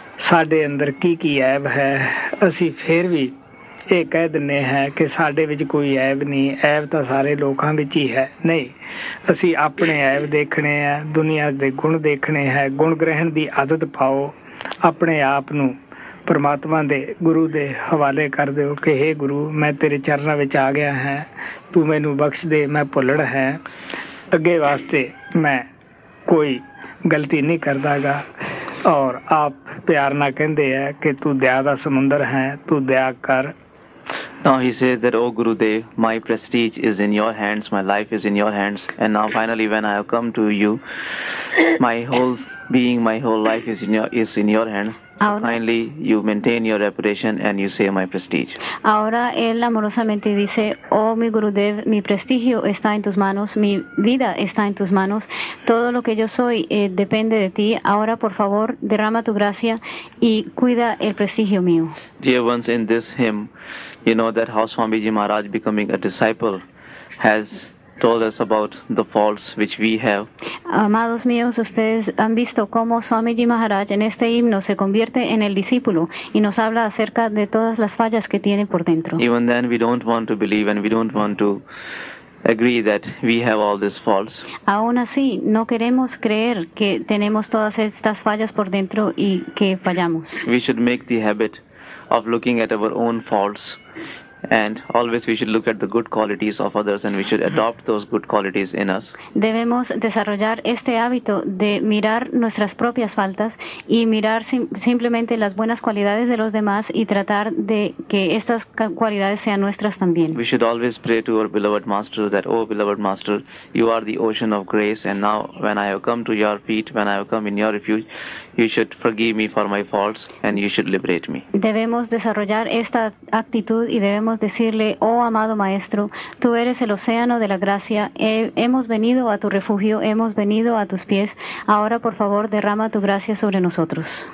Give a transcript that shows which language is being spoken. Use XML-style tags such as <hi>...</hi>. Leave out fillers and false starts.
<pa>ਸਾਡੇ ਅੰਦਰ ਕੀ ਐਬ ਹੈ ਅਸੀਂ ਫਿਰ ਵੀ ਇਹ ਕਹਿ ਦਿੰਦੇ ਹਾਂ ਕਿ ਸਾਡੇ ਵਿੱਚ ਕੋਈ ਐਬ ਨਹੀਂ ਐਬ ਤਾਂ ਸਾਰੇ ਲੋਕਾਂ ਵਿੱਚ ਹੀ ਹੈ ਨਹੀਂ ਅਸੀਂ ਆਪਣੇ ਐਬ ਦੇਖਣੇ ਹੈ ਦੁਨੀਆਂ ਦੇ ਗੁਣ ਦੇਖਣੇ ਹੈ ਗੁਣ ਗ੍ਰਹਿਣ ਦੀ ਆਦਤ ਪਾਓ ਆਪਣੇ ਆਪ ਨੂੰ ਪਰਮਾਤਮਾ ਦੇ ਗੁਰੂ ਦੇ ਹਵਾਲੇ ਕਰ ਦਿਓ ਕਿ ਹੇ ਗੁਰੂ ਮੈਂ ਤੇਰੇ ਚਰਨਾਂ ਵਿੱਚ ਆ ਗਿਆ ਹੈ ਤੂੰ ਮੈਨੂੰ ਬਖਸ਼ ਦੇ ਮੈਂ ਭੁੱਲੜ ਹੈ ਅੱਗੇ ਵਾਸਤੇ ਮੈਂ ਕੋਈ ਗਲਤੀ ਨਹੀਂ ਕਰਦਾ ਗਾ ਔਰ ਆਪ ਪਿਆਰ ਨਾਲ ਕਹਿੰਦੇ ਹੈ ਕਿ ਤੂੰ ਦਇਆ ਦਾ ਸਮੁੰਦਰ ਹੈ ਤੂੰ ਦਇਆ ਕਰ</pa> <en>Now he says that, O Gurudev, my prestige is in your hands, my life is in your hands, and now finally when I have come to you, my whole being, my whole life is in your hands. So kindly, you maintain your reputation and you save my prestige.</en> <es>Ahora él amorosamente dice, Oh, mi Gurudev, mi prestigio está en tus manos, mi vida está en tus manos, todo lo que yo soy depende de ti. Ahora, por favor, derrama tu gracia y cuida el prestigio mío.</es> <en>Dear ones, in this hymn, you know that how Swamiji Maharaj becoming a disciple has told us about the faults which we have.</en> <es>Amados míos, ustedes han visto cómo Swamiji Maharaj en este himno se convierte en el discípulo y nos habla acerca de todas las fallas que tiene por dentro.</es> <en>Even then we don't want to believe and we don't want to agree that we have all these faults.</en> <es>Aún así, no queremos creer que tenemos todas estas fallas por dentro y que fallamos.</es> <en>We should make the habit of looking at our own faults. And always we should look at the good qualities of others and we should adopt those good qualities in us.</en> <es>Debemos desarrollar este hábito de mirar nuestras propias faltas y mirar simplemente las buenas cualidades de los demás y tratar de que estas cualidades sean nuestras también.</es> <en>We should always pray to our beloved master that, Oh, beloved master, you are the ocean of grace and now when I have come to your feet, when I have come in your refuge, you should forgive me for my faults and you should liberate me.</en> <es>Debemos desarrollar esta actitud y debemos decirle, oh amado maestro, tú eres el océano de la gracia, hemos venido a tu refugio, hemos venido a tus pies, ahora por favor derrama tu gracia sobre nosotros.</es>